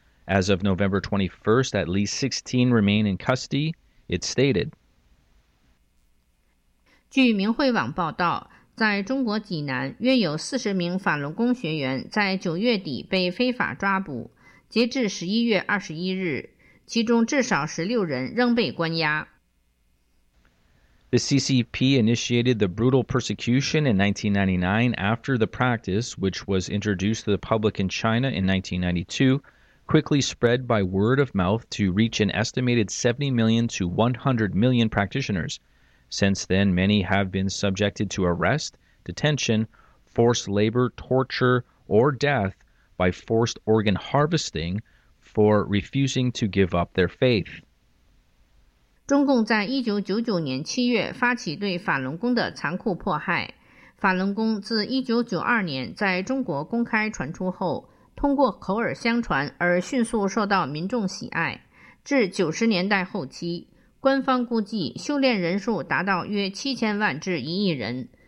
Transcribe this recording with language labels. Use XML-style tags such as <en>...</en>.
<en>As of November 21st, at least 16 remain in custody, it stated.</en> <zh>据明慧网报道，在中国济南，约有40名法轮功学员在9月底被非法抓捕，截至11月21日。其中至少16人仍被关押。</zh> <en>The CCP initiated the brutal persecution in 1999 after the practice, which was introduced to the public in China in 1992, quickly spread by word of mouth to reach an estimated 70 million to 100 million practitioners. Since then, many have been subjected to arrest, detention, forced labor, torture, or death by forced organ harvesting,for refusing to give up their faith.</en> <zh>中共在1999年7月发起对法轮功的残酷迫害。法轮功自1992年在中国公开传出后，通过口耳相传而迅速受到民众喜爱。至90年代后期，官方估计修炼人数达到约7000万至1亿人。</zh>